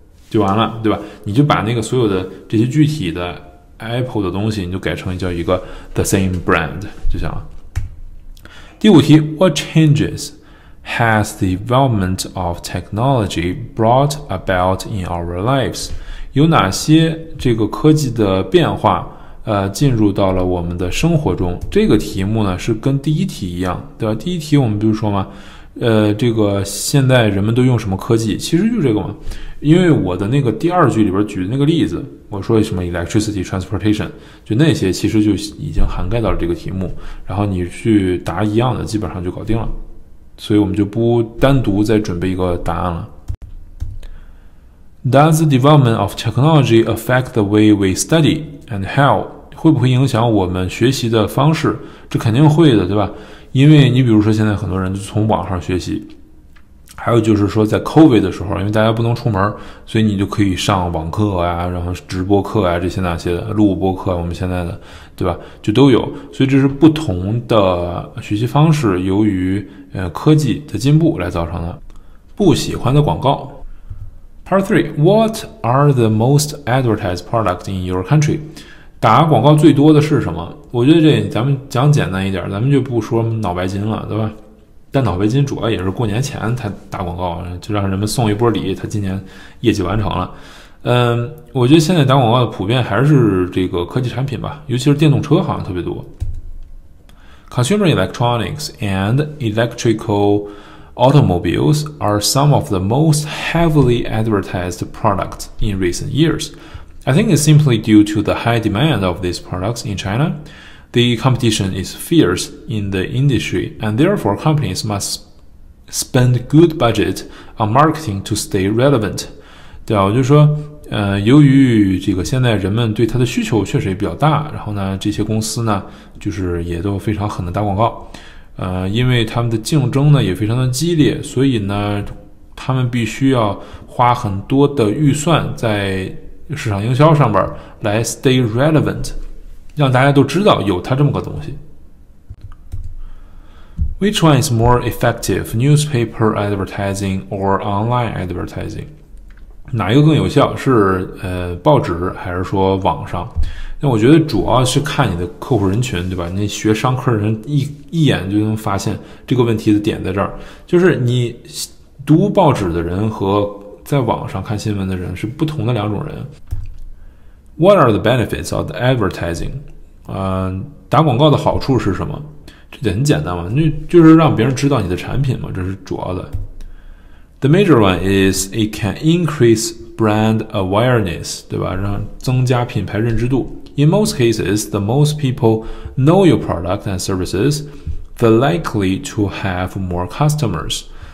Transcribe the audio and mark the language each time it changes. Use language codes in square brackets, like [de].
[zh] 就完了，对吧？你就把那个所有的这些具体的 Apple 的东西你就改成叫一个 [en] the same brand, [zh] 就行了。第五题 [en] ,What changes has the development of technology brought about in our lives? [zh] 有哪些这个科技的变化进入到了我们的生活中。这个题目呢是跟第一题一样，对吧？第一题我们不是说吗，这个现在人们都用什么科技，其实就是这个嘛。因为我的那个第二句里边举的那个例子，我说什么 electricity, transportation, 就那些其实就已经涵盖到了这个题目，然后你去答一样的基本上就搞定了。所以我们就不单独再准备一个答案了。 [en] Does the development of technology affect the way we study and how? [zh] 会不会影响我们学习的方式？这肯定会的，对吧？因为你比如说现在很多人就从网上学习，还有就是说在 COVID 的时候，因为大家不能出门，所以你就可以上网课啊，然后直播课啊，这些那些的录播课，我们现在的，对吧？就都有。所以这是不同的学习方式，由于科技的进步来造成的。不喜欢的广告。 [en] Part 3, what are the most advertised products in your country? [zh] 打广告最多的是什么？我觉得这咱们讲简单一点，咱们就不说脑白金了，对吧？但脑白金主要也是过年前才打广告，就让人们送一波礼，他今年业绩完成了。我觉得现在打广告的普遍还是这个科技产品吧，尤其是电动车好像特别多。 [en] Consumer electronics and electricalAutomobiles are some of the most heavily advertised products in recent years. I think it's simply due to the high demand of these products in China. The competition is fierce in the industry, and therefore companies must spend good budget on marketing to stay relevant. [zh] 对啊，我就说，由于这个现在人们对它的需求确实也比较大，然后呢，这些公司呢，就是也都非常狠的打广告。因为他们的竞争呢也非常的激烈，所以呢他们必须要花很多的预算在市场营销上边来 [en] stay relevant, [zh] 让大家都知道有它这么个东西。 [en] Which one is more effective, newspaper advertising or online advertising? [zh] 哪一个更有效，是报纸还是说网上？那我觉得主要是看你的客户人群，对吧？那学商科的人一眼就能发现这个问题的点在这儿，就是你读报纸的人和在网上看新闻的人是不同的两种人。 [en] What are the benefits of the advertising? [zh] 打广告的好处是什么？这点很简单嘛，那就是让别人知道你的产品嘛，这是主要的。 [en] The major one is it can increase brand awareness, [zh] 对吧？让增加品牌认知度。 [en] In most cases, the most people know your product and services, the likely to have more customers.